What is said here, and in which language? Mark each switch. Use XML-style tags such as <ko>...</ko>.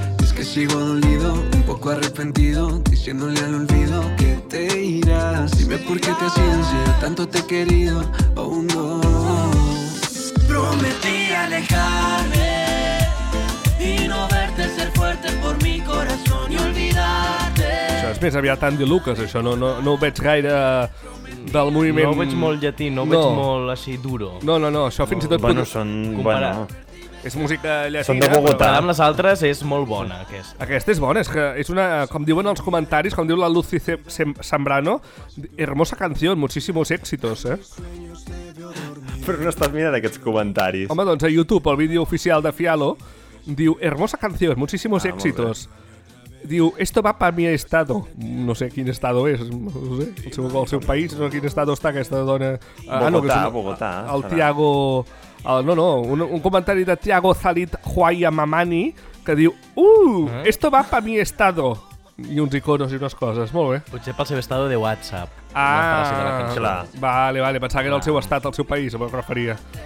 <es>Es que sigo dolido, un poco arrepentido, diciéndole al olvido que te irás. Dime por qué te has ido, si yo tanto te he querido. Oh no. Prometí alejarme y no verte ser fuerte por mi corazón y olvidarte.</es> <ca>Això és més aviat Andy Lucas, això. No ho veig gaire del moviment... No ho veig molt llatí, no ho veig molt així duro. No, això fins i tot... Bueno, són... Comparar. Bueno. És música llatina. Són de Bogotà. Amb les altres és molt bona, aquesta. Aquesta és bona, és que és una... Com diuen els comentaris, com diu la Lucy Sembrano, hermosa canció,</ca> <es>muchísimos éxitos,</es> <ca>eh? Però no estàs mirant aquests comentaris. Home, doncs a YouTube, el vídeo oficial de Fialo, diu hermosa canció,</ca> <es>muchísimos éxitos. Diu, esto va pa mi estado.</es> <ca>No sé quin estado és, no sé, el seu país, no sé quin estado està aquesta dona. Bogotà, no, que és Bogotà. El Tiago... Un comentari de Tiago Zalit Huaya Mamani, que diu,</ca> <es>esto va pa mi estado.</es> <ca>I uns iconos i unes coses, molt bé. Potser pel seu estado de WhatsApp. Ah, la vale, pensava que era el seu estat, el seu país, a què referia.</ca>